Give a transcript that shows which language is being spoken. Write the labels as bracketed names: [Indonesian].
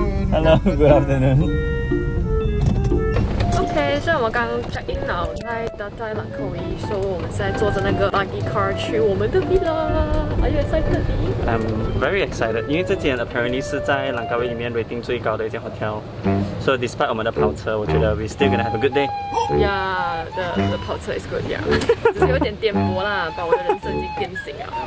[English] Hello, good afternoon. Okay, [Chinese] 虽然我刚刚 check in 了，在大在兰口一说，我们现在坐着那个 buggy car 去我们的 villa， [English] are you excited？ I'm very excited， [Chinese] 因为这间 apparently 是在兰高威里面 rating 最高的一间 hotel， [English] so despite [Chinese] 我们的跑车，我觉得 [English] we still gonna have a good day。 Yeah， the [Chinese] 跑车 [English] is good， yeah， [Chinese] 只是有点颠簸啦，把我的人生已经颠醒了。